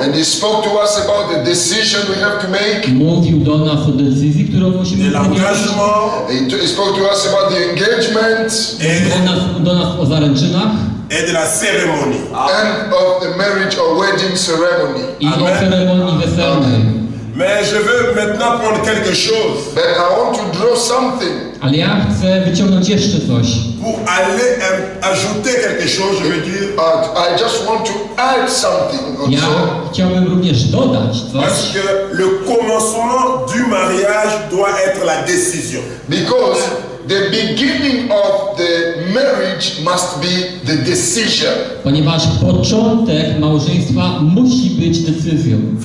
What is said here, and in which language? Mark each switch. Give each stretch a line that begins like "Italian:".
English: And he spoke to us about the decision we have to make.
Polish: Mówił do nas o decyzji, którą musimy podjąć.
English: He spoke to us about the engagement.
Polish: Do nas o zaręczynach.
French: Et de la cérémonie.
English: And of the marriage or wedding ceremony. Amen.
French: Mais je veux maintenant prendre quelque chose.
English: But I want to draw something.
Polish: Ale ja chcę wyciągnąć jeszcze coś.
French: Pour aller ajouter quelque chose, je veux dire.
English: I just want to add something.
Polish: Ja chciałbym również dodać coś.
French: Parce que le commencement du mariage doit être la décision.
English: Because the beginning of the marriage must be the decision.
Polish: Ponieważ początek małżeństwa musi być decyzją.